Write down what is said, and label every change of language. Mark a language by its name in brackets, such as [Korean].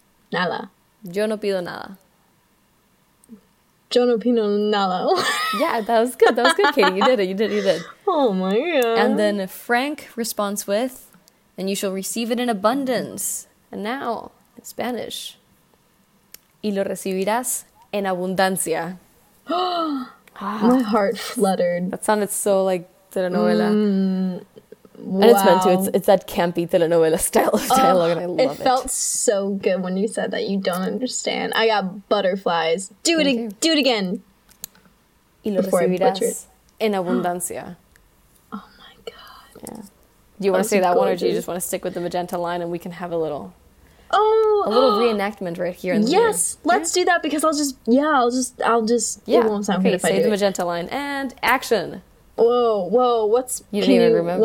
[Spanish] Nada. Yo no pido nada. Yo no pido nada. [English] Yeah, that was good. That was good, Katie. You did it. Oh my god! And then Frank responds with, "And you shall receive it in abundance." And now in Spanish. [Spanish] Y lo recibirás en abundancia. [English] My heart fluttered. That sounded so like telenovela. And it's meant to. It's that campy telenovela style of dialogue, and I love it. It felt so good when you said that. You don't understand. I got butterflies. Do it again. [Spanish] Y lo recibirás en abundancia. [English] Oh my god. Yeah. Do you want to say that one, or do you just want to stick with the magenta line, and we can have a little... reenactment right here. Let's do that because I'll just. It won't sound okay, good if say I do the it. Magenta line and action. Whoa, what's... You didn't even remember.